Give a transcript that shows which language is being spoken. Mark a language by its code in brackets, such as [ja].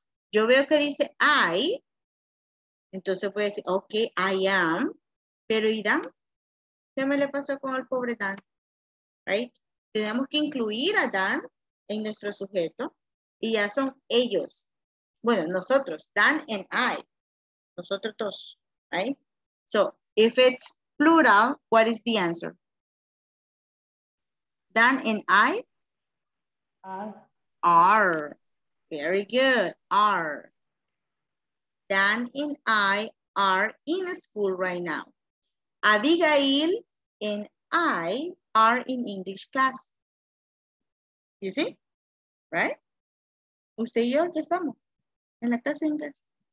[es] Yo veo que dice I, entonces puede decir, ok, [en] I am, [es] pero ¿y Dan? ¿Qué me le pasó con el pobre Dan? [en] Right? [es] Tenemos que incluir a Dan en nuestro sujeto, y ya son ellos. Bueno, nosotros, [en] Dan and I. [es] Nosotros dos, right? [en] So, if it's plural, what is the answer? Dan and I? Are. Very good. Are. Dan and I are in school right now. Abigail and I are in English class. You see? right? [es] Usted y yo aquí estamos en la clase de inglés.